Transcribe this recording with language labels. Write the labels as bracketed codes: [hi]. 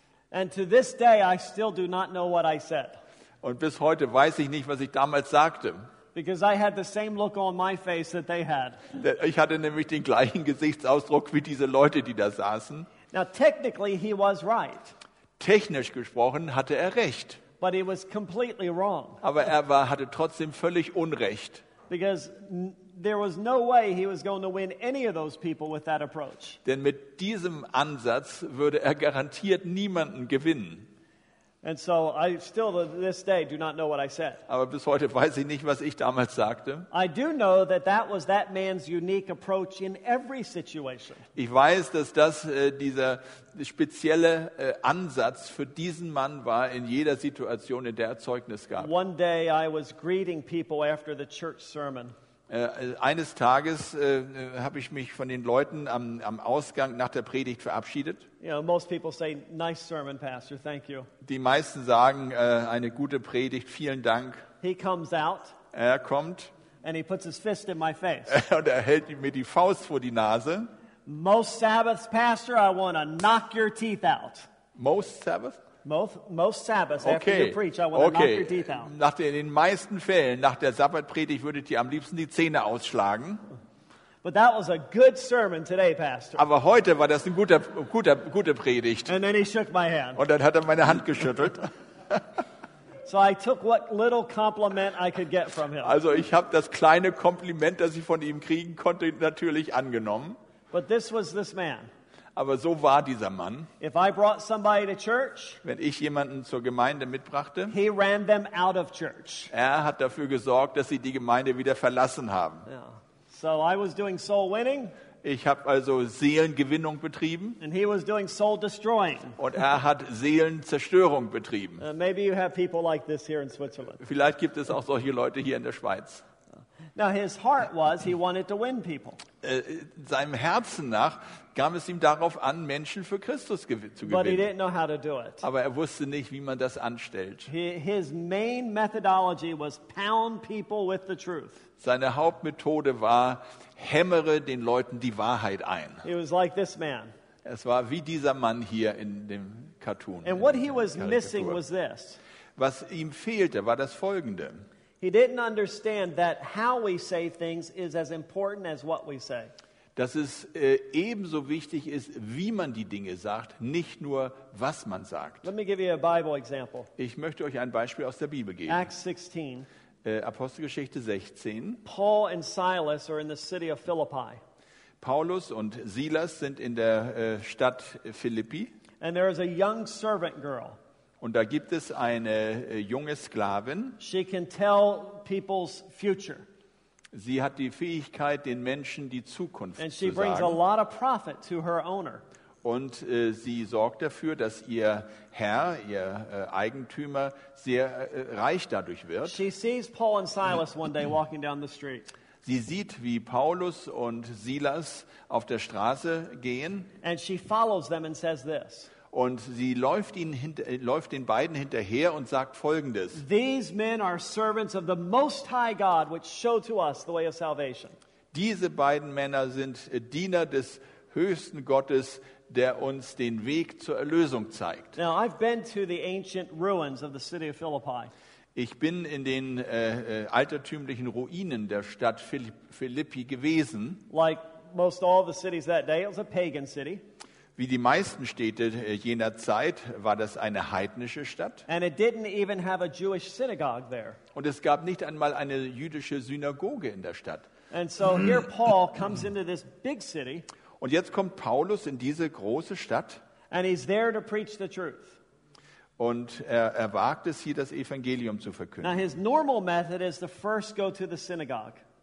[en] And to this day, I still do not know what I said. [de] Und bis heute weiß ich nicht, was ich damals sagte. [en] Because I had the same look on my face that they had. [de] Ich hatte nämlich den gleichen Gesichtsausdruck wie diese Leute, die da saßen. [en] Now technically he was right. [de] Technisch gesprochen hatte er recht. [en] But he was completely wrong. [de] Aber hatte trotzdem völlig Unrecht. [en] Because there was no way he was going to win any of those people with that approach. [de] Denn mit diesem Ansatz würde er garantiert niemanden gewinnen. [en] And so I still to this day do not know what I said. [de] Aber bis heute weiß ich nicht, was ich damals sagte. [en] I do know that that was that man's unique approach in every situation. [de] Ich weiß, dass das dieser spezielle Ansatz für diesen Mann war in jeder Situation, in der er Zeugnis gab. [en] One day I was greeting people after the church sermon. [de] Eines Tages habe ich mich von den Leuten am Ausgang nach der Predigt verabschiedet. [en] You know, most people say, "Nice sermon, Pastor. Thank you." [de] Die meisten sagen eine gute Predigt, vielen Dank. [en] He comes out. [de] Er kommt. [en] And he puts his fist in my face. [de] Und er hält mir die Faust vor die Nase. [en] Most Sabbaths, Pastor, I want to knock your teeth out. Most Sabbaths. Most Sabbaths, okay. After you preach, I want to okay. Knock your teeth out. [de] Nach den meisten Fällen, nach der Sabbatpredigt, würdet ihr am liebsten die Zähne ausschlagen. [en] But that was a good sermon today, Pastor. [de] Aber heute war das ein gute Predigt. [en] And then he shook my hand. [de] Und dann hat er meine Hand geschüttelt. [en] So I took what little compliment I could get from him. [de] Also ich habe das kleine Kompliment, das ich von ihm kriegen konnte, natürlich angenommen. [en] But this was this man. [de] Aber so war dieser Mann. [en] If I brought somebody to church, [de] wenn ich jemanden zur Gemeinde mitbrachte, [en] he ran them out of church. [de] Er hat dafür gesorgt, dass sie die Gemeinde wieder verlassen haben. [en] Yeah. So I was doing soul winning. [de] Ich habe also Seelengewinnung betrieben. [en] And he was doing soul destroying. [de] Und er hat Seelenzerstörung betrieben. [en] Maybe you have people like this here in Switzerland. [de] Vielleicht gibt es auch solche Leute hier in der Schweiz. [en] Now his heart was, he wanted to win people. [de] Seinem Herzen nach kam es ihm darauf an, Menschen für Christus zu gewinnen. [en] But he didn't know how to do it. [de] Aber er wusste nicht, wie man das anstellt. [en] His main methodology was pound people with the truth. [de] Seine Hauptmethode war, hämmere den Leuten die Wahrheit ein. [en] It was like this man. [de] Es war wie dieser Mann hier in dem Cartoon. [en] And what he was missing was this. [de] Was ihm fehlte, war das Folgende. [en] He didn't understand that how we say things is as important as what we say. [de] Dass es ebenso wichtig ist, wie man die Dinge sagt, nicht nur was man sagt. [en] Let me give you a Bible example. [de] Ich möchte euch ein Beispiel aus der Bibel geben. [en] Acts 16. [de] Apostelgeschichte 16. [en] Paul and Silas are in the city of Philippi. [de] Paulus und Silas sind in der Stadt Philippi. [en] And there is a young servant girl. [de] Und da gibt es eine junge Sklavin. [en] She can tell people's future. [de] Sie hat die Fähigkeit, den Menschen die Zukunft [en] and [de] zu [en] she [de] sagen. [en] Brings a lot of profit to her owner. [de] Und sie sorgt dafür, dass ihr Herr, ihr Eigentümer, sehr reich dadurch wird. [en] She sees Paul and Silas one day walking down the street. [de] Sie sieht, wie Paulus und Silas auf der Straße gehen. [en] And she follows them and says this. [de] Und sie läuft den beiden hinterher und sagt Folgendes. [en] These men are servants of the Most High God, which show to us the way of salvation. [de] Diese beiden Männer sind Diener des höchsten Gottes, der uns den Weg zur Erlösung zeigt. [en] Now I've been to the ancient ruins of the city of Philippi. [de] Ich bin in den altertümlichen Ruinen der Stadt Philippi gewesen. [en] Like most all the cities that day, it was a pagan city. [de] Wie die meisten Städte jener Zeit war das eine heidnische Stadt. [en] And it didn't even have a Jewish synagogue there. [de] Und es gab nicht einmal eine jüdische Synagoge in der Stadt. [en] And so here Paul comes into this big city. [de] Und jetzt kommt Paulus in diese große Stadt. [en] And he's there to preach the truth. [de] Und er wagt es hier, das Evangelium zu verkünden. [en] Now his normal method is to first go to the synagogue.